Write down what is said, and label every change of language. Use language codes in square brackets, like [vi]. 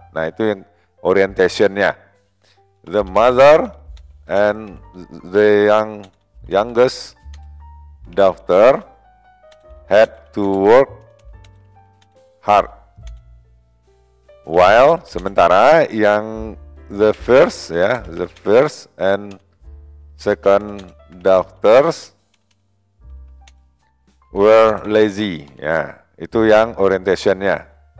[id] Nah, itu yang orientation-nya. [en] The mother and the youngest daughter had to work hard. While [id] sementara yang [en] the first and second daughters were lazy. [id] Ya, itu yang orientation-nya.